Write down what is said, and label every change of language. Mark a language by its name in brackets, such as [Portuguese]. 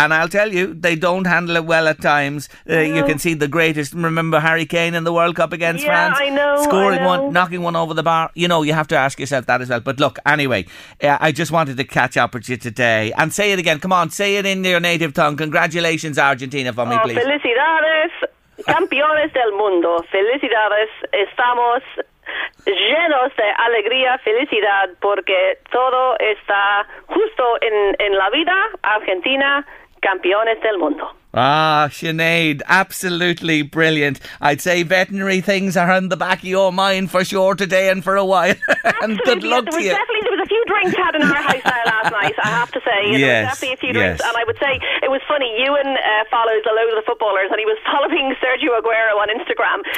[English] And I'll tell you, they don't handle it well at times. You can see the greatest. Remember Harry Kane in the World Cup against France? Yeah, I know. Scoring one, knocking one over the bar. You know, you have to ask yourself that as well. But look, anyway, I just wanted to catch up with you today and say it again. Come on, say it in your native tongue. Congratulations, Argentina, for me, please. [Spanish] Felicidades. Campeones del mundo, felicidades, estamos llenos de alegría, felicidad, porque todo está justo en la vida, Argentina, campeones del mundo. [English] Ah, Sinead, absolutely brilliant. I'd say veterinary things are on the back of your mind for sure today and for a while. And good luck to you. Drinks had in our house last night, I have to say. Yes, and I would say it was funny. Ewan follows a load of the footballers, and he was following Sergio Aguero on Instagram.